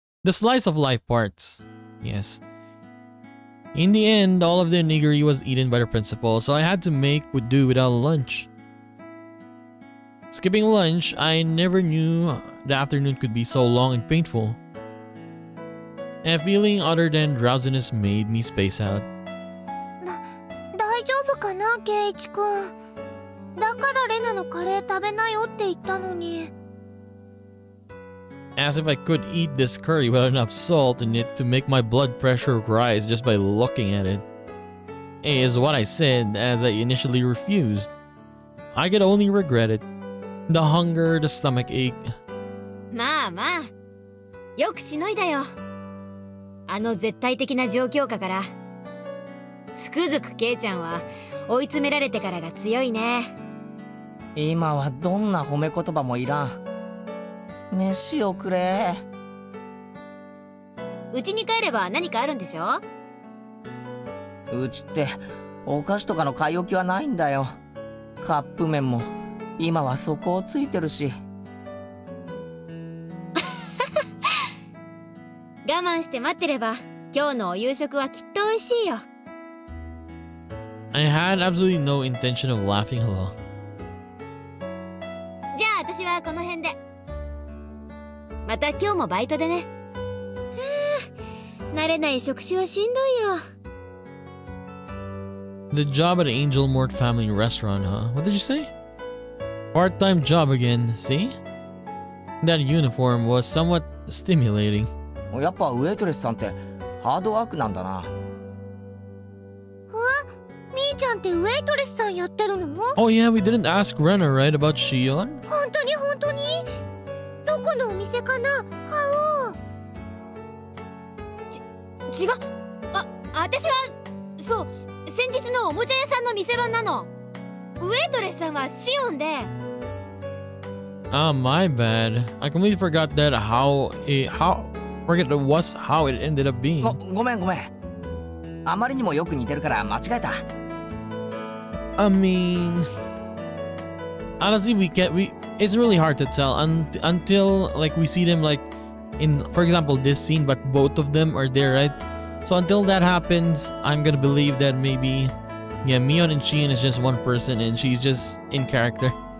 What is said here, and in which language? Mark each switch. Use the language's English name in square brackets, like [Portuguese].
[English] The slice of life parts, yes. In the end, all of the onigiri was eaten by the principal, so I had to make do without lunch. Skipping lunch, I never knew the afternoon could be so long and painful. A feeling other than drowsiness made me space out. [Japanese] 大丈夫かな、ケイチ君。だからレナのカレー食べなよって言ったのに。 [English] As if I could eat this curry without enough salt in it to make my blood pressure rise just by looking at it. Is what I said as I initially refused. I could only regret it. The hunger, the stomach ache. [Japanese] まあまあ、よくしのいだよ。あの絶対的な状況下からつくづくケイちゃんは追い詰められてからが強いね。今はどんな褒め言葉もいらん。飯をくれ。うちに帰れば何かあるんでしょ。うちってお菓子とかの買い置きはないんだよ。カップ麺も今は底をついてるし。我慢して待ってれば、今日のお夕食はきっと美味しいよ。 [English] I had absolutely no intention of laughing along. [Japanese] じゃあ私はこの辺で。また今日もバイトでね。慣れない職種はしんどいよ。 [English] The job at Angel Mort Family Restaurant, huh? What did you say? Part-time job again, see? That uniform was somewhat stimulating. [Japanese] やっぱウェイトレスさんってハードワークなんだな。え、みーちゃんってウェイトレスさんやってるの？ [English] Oh yeah, we didn't ask Renner, right, about Shion? [Japanese] 本当に本当に？どこのお店かな、ハオ？ち、違う。あ、私は、そう、先日のおもちゃ屋さんの店番なの。ウェイトレスさんはシオンで。 [English] Ah, my bad. I completely forgot that how it, how, forget it was how it ended up being. [Japanese] ごめん。あまりにもよく似てるから間違えた。 [English] I mean, honestly, it's really hard to tell until like we see them like in, for example, this scene, but both of them are there, right? So until that happens, I'm gonna believe that maybe, yeah, Mion and Shion is just one person and she's just in character.